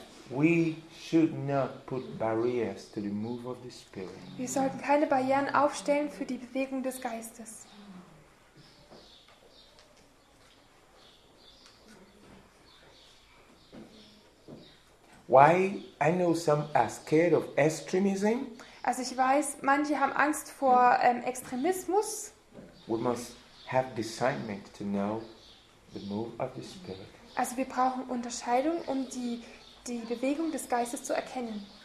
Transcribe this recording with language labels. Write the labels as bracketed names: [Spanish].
[English] We should not put barriers to the move of the Spirit. [German] Wir sollten keine Barrieren aufstellen für die Bewegung des Geistes. [English] Why? I know some are scared of extremism. [German] Also ich weiß, manche haben Angst vor Extremismus. [English] We must have discernment to know the move of the Spirit. [German] Also wir brauchen Unterscheidung, um die Bewegung des Geistes zu erkennen.